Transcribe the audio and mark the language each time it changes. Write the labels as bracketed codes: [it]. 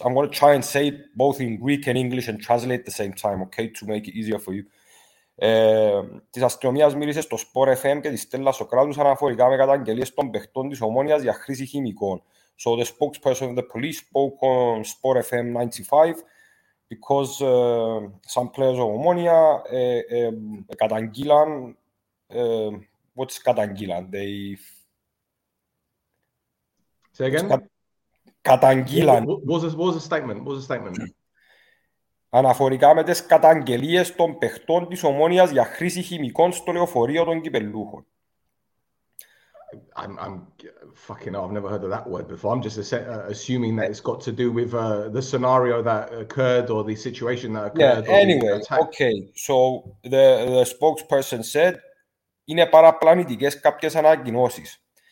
[en] I'm going to try and say it both in Greek and English and translate at the same time, okay, to make it easier for you. [el] Της αστυνομίας μίλησε στο Sport FM και τη Στέλλα Σοκράτους αναφορικά με καταγγελίες των παιχτών της Ομόνοιας για χρήση χημικών. [en] So the spokesperson of the police spoke on Sport FM 95 because some players of [el] Ομόνοια καταγγείλαν... [en] What's Katangilan? They Say again. [el] Καταγγείλαν. [en] What was the statement? [el] Αναφορικά με τις καταγγελίες των παιχτών της Ομόνοιας για χρήση χημικών στο λεωφορείο των Κυπελλούχων. [en] I've never heard of that word before. I'm just assuming that it's got to do with the scenario that occurred or the situation that occurred. Yeah, anyway, okay. So the spokesperson said, [el] είναι παραπλανητικές κάποιες ανακοινώσεις.